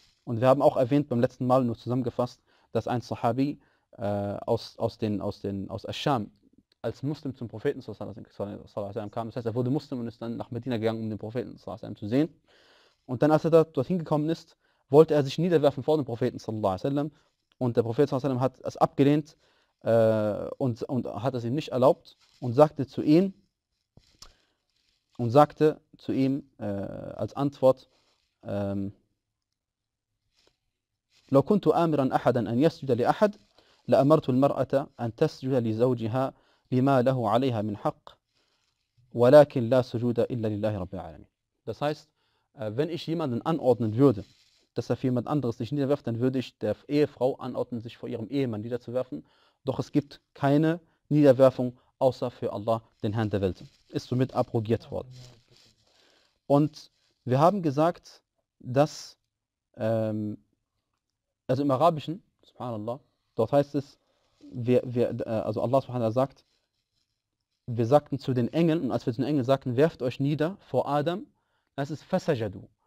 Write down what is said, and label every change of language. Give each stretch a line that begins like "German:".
German: Und wir haben auch erwähnt beim letzten Mal, nur zusammengefasst, dass ein Sahabi aus Asham als Muslim zum Propheten sallallahu alaihi wasallam kam. Das heißt, er wurde Muslim und ist dann nach Medina gegangen, um den Propheten sallallahu alaihi wasallam zu sehen. Und dann, als er dorthin gekommen ist, wollte er sich niederwerfen vor dem Propheten sallallahu alaihi wasallam. Und der Prophet sallallahu alaihi wasallam hat es abgelehnt und hat es ihm nicht erlaubt und sagte zu ihm als Antwort,
Arabic: لو كنت آمرا أحدا أن يسجد لأحد لأمرت المرأة أن تسجد لزوجها لما له عليها من حق ولكن لا سجود إلا لله رب العالمين.
German: Das heißt, wenn ich jemanden anordnen würde, dass er für jemand anderes sich niederwirft, dann würde ich der Ehefrau anordnen, sich vor ihrem Ehemann niederzuwerfen. Doch es gibt keine Niederwerfung außer für Allah, den Herrn der Welt. Ist somit abrogiert worden. Und wir haben gesagt, dass also im Arabischen, subhanallah, dort heißt es, also Allah subhanallah sagt, wir sagten zu den Engeln, und als wir zu den Engeln sagten, werft euch nieder vor Adam, das ist fasajadu.